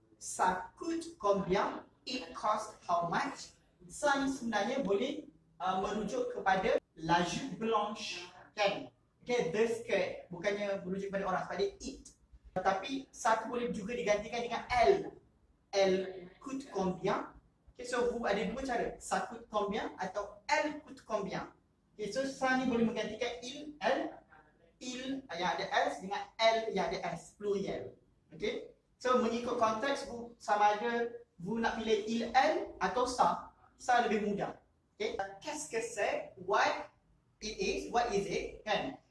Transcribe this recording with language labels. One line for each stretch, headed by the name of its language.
French: Ça coûte combien?
English: It cost how much?
Malay: Ça ni sebenarnya boleh merujuk kepada
French: la jupe blanche,
Malay: kan?
English: Okay, the skirt.
Malay: Bukannya merujuk kepada orang, sebab dia it. Tapi satu boleh juga digantikan dengan elle.
French: Elle coûte combien?
English: Okay, so
Malay: vous ada dua cara.
French: Ça coûte combien
Malay: atau
French: elle coûte combien?
English: Okay, so
Malay: ça ni boleh menggantikan il, elle. Il yang ada S dengan elle yang ada S.
English: Plural. Okay?
Malay: So mengikut konteks, sama ada vous nak pilih il, elle atau ça. Ça lebih mudah.
English: Okay.
French: Qu'est-ce que c'est?
English: What it is? What is it? Kan?